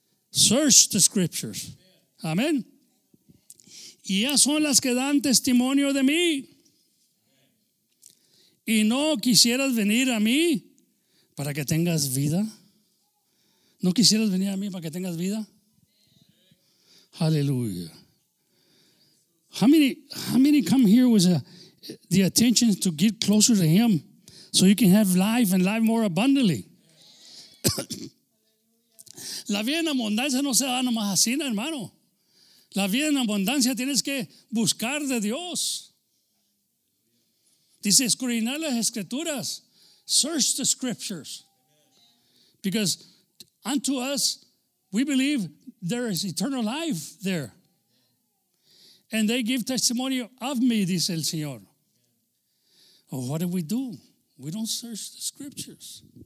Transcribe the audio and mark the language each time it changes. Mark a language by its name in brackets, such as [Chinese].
[English] Search the scriptures. [Spanish] Amén. Y ellas son las que dan testimonio de mí. Y no quisieras venir a mí para que tengas vida. No quisieras venir a mí para que tengas vida. Aleluya. [English] How many come here with the attention to get closer to Him so you can have life and life more abundantly? [Spanish] La vida en abundancia no se da nomás así, hermano. La vida en abundancia tienes que buscar de Dios. Dice, escudriñar las escrituras. [English] Search the scriptures. Because unto us, we believe there is eternal life there. And they give testimony of me, [Spanish] dice el Señor. [English] Well, what do? We don't search the scriptures.